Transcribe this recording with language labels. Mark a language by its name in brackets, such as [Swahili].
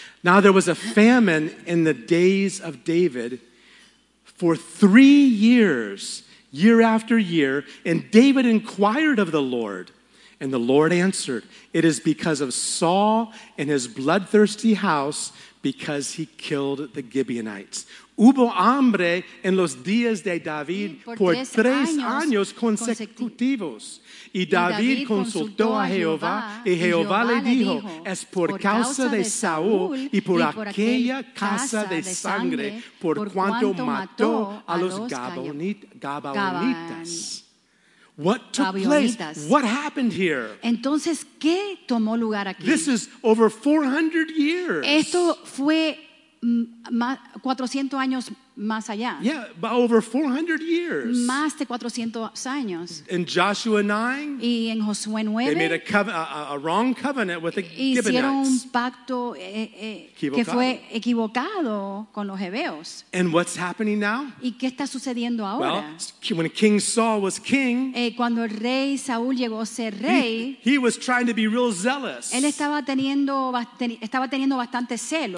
[English] Now there was a famine in the days of David for 3 years. Year after year, and David inquired of the Lord, and the Lord answered, it is because of Saul and his bloodthirsty house, because he killed the Gibeonites. [Spanish] Hubo hambre en los días de David por tres años consecutivos. Y David consultó a Jehová, y Jehová le dijo, es por causa de Saúl y por aquella casa de sangre, por cuanto mató a los Gabaonitas. [English] What took place? What happened here? [Spanish] Entonces, ¿qué tomó lugar aquí? [English] This is over 400 years. [Spanish] Esto fue 400 años más allá. [English] Yeah, by over 400 years. [Spanish] Más de 400 años. [English] In Joshua 9. [Spanish] Y en Josué 9. [English] They made a wrong covenant with the Gibeonites. [Spanish] Hicieron un pacto que fue equivocado con los hebeos. [English] And what's happening now? [Spanish] ¿Y qué está sucediendo ahora? [English] Well, when King Saul was king, [Spanish] cuando el rey Saúl llegó a ser rey, [English] he was trying to be real zealous. [Spanish] Él estaba teniendo bastante celo.